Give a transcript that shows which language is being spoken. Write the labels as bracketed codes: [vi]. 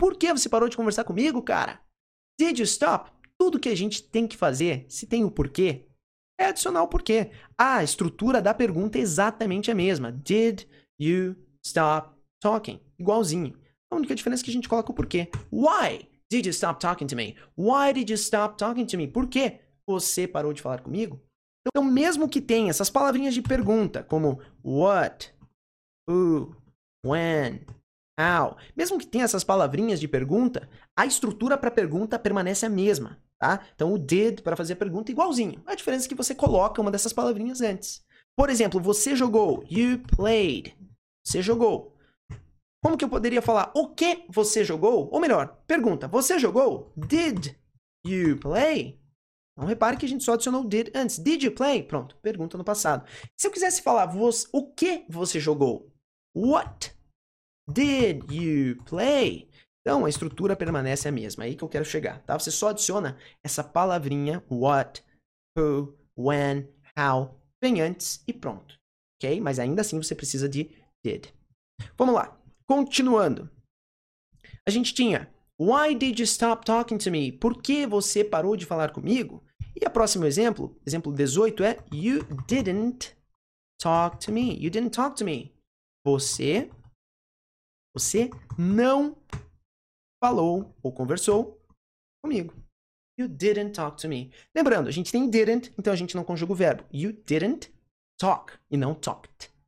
[pt] Por que você parou de conversar comigo, cara? [en] Did you stop? [pt] Tudo que a gente tem que fazer, se tem o porquê, é adicionar o porquê. A estrutura da pergunta é exatamente a mesma. [en] Did you stop talking? [pt] Igualzinho. A única diferença é que a gente coloca o porquê. [en] Why did you stop talking to me? Why did you stop talking to me? [pt] Por que você parou de falar comigo? Então, mesmo que tenha essas palavrinhas de pergunta, como what, who, when, how, mesmo que tenha essas palavrinhas de pergunta, a estrutura para a pergunta permanece a mesma. Tá? Então, o did para fazer a pergunta é igualzinho. A diferença é que você coloca uma dessas palavrinhas antes. Por exemplo, você jogou. [en] You played. [pt] Você jogou. Como que eu poderia falar o que você jogou? Ou melhor, pergunta. Você jogou? [en] Did you play? [pt] Então, repare que a gente só adicionou did antes. Did you play? Pronto. Pergunta no passado. Se eu quisesse falar o que você jogou? [en] What did you play? [pt] Então, a estrutura permanece a mesma. É aí que eu quero chegar, tá? Você só adiciona essa palavrinha what, who, when, how, bem antes e pronto, ok? Mas ainda assim você precisa de did. Vamos lá, continuando. A gente tinha [en] why did you stop talking to me? [pt] Por que você parou de falar comigo? E a próximo exemplo 18 é [en] you didn't talk to me. You didn't talk to me. [pt] Você não falou ou conversou comigo. [en] You didn't talk to me. [pt] Lembrando, a gente tem didn't, então a gente não conjuga o verbo. [en] You didn't talk [pt] e não [en] talked.